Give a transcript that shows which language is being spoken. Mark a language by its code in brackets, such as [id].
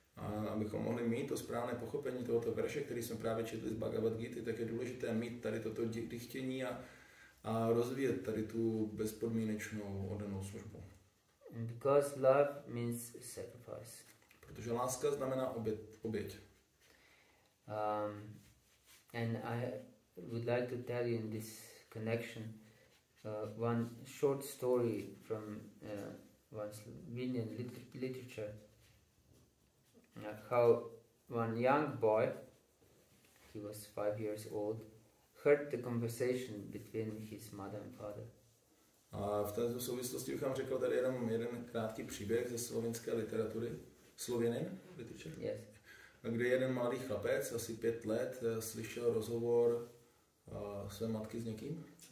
[cs] A abychom mohli mít to správné pochopení tohoto verše, který jsme právě četli z Bhagavad Gita, tak je důležité mít tady toto dychtění a rozvíjet tady tu bezpodmínečnou oddanou službu. [en] Because love means sacrifice. [cs] Protože láska znamená oběť. [en] And I would like to tell you in this connection one short story from one Slovenian literature, how one young boy, he was 5 years old, heard the conversation between his mother and father. [cs] A v této souvislosti bych vám řekl tady jeden krátký příběh ze slovenské literatury, [en] Slovenin literature. Yes. [cs] Kde jeden malý chlapec, asi 5 let, slyšel rozhovor své matky s někým.